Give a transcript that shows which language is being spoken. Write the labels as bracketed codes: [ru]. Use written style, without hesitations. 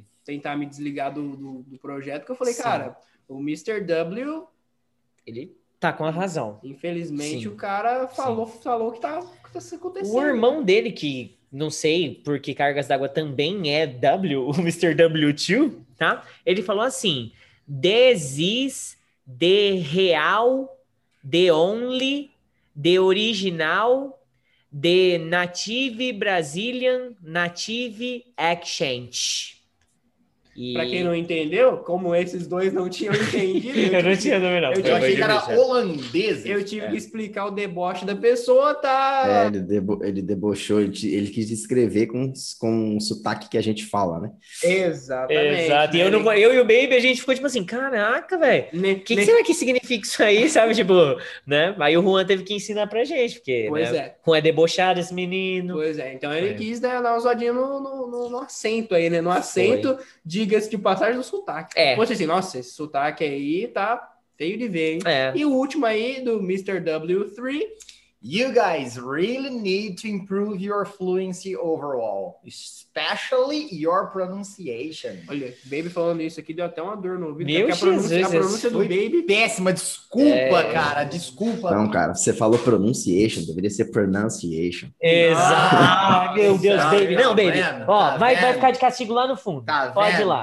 [pt] Tentar me desligar do projeto, que eu falei, cara, o Mr. W... Ele... Tá com a razão. Infelizmente, o cara falou que tá acontecendo. O irmão dele, que não sei por que cargas d'água também é W, o Mr. W2, tá? Ele falou assim, [en] this is the real, the only, the original, the native Brazilian, native accent. [pt] Pra quem não entendeu, como esses dois não tinham entendido... Eu achei que era holandês. Eu tive que explicar o deboche da pessoa, tá? É, ele debochou, ele quis descrever com um sotaque que a gente fala, né? Exatamente. Exato. E eu e o Baby, a gente ficou tipo assim, caraca, velho, o que será que significa isso aí, sabe? Tipo, né? Aí o Juan teve que ensinar pra gente, porque... Pois né? É. Juan é debochado, esse menino. Pois é, então ele quis, né, dar uma zoadinha no acento aí, né? No acento... Foi. Diga-se de passagem do sotaque. É. Poxa, assim, nossa, esse sotaque aí tá feio de ver, hein? É. E o último aí, do Mr. W3. [en] You guys really need to improve your fluency overall, especially your pronunciation. [pt] Olha, Baby falando isso aqui deu até uma dor no ouvido. Meu Jesus, a pronúncia do Baby péssima. Desculpa, cara. Desculpa. Não, cara, você falou pronunciation, deveria ser pronunciation. Exato. Meu Deus, Baby. Não, tá Baby. Vendo? Ó, tá vai ficar de castigo lá no fundo. Tá pode vendo, ir lá.